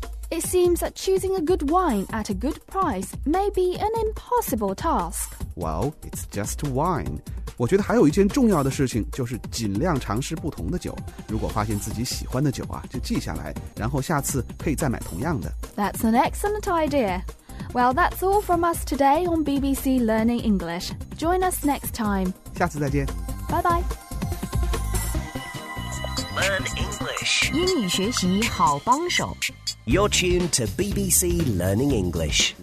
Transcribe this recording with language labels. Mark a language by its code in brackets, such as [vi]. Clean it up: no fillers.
[en] It seems that choosing a good wine at a good price may be an impossible task. Well, it's just wine. [zh] 我觉得还有一件重要的事情就是尽量尝试不同的酒。如果发现自己喜欢的酒啊，就记下来，然后下次可以再买同样的。 [en] That's an excellent idea. Well, that's all from us today on BBC Learning English. Join us next time. [zh] 下次再见。 [en] Bye bye. Learn English. [zh] 英语学习好帮手。 [en] You're tuned to BBC Learning English.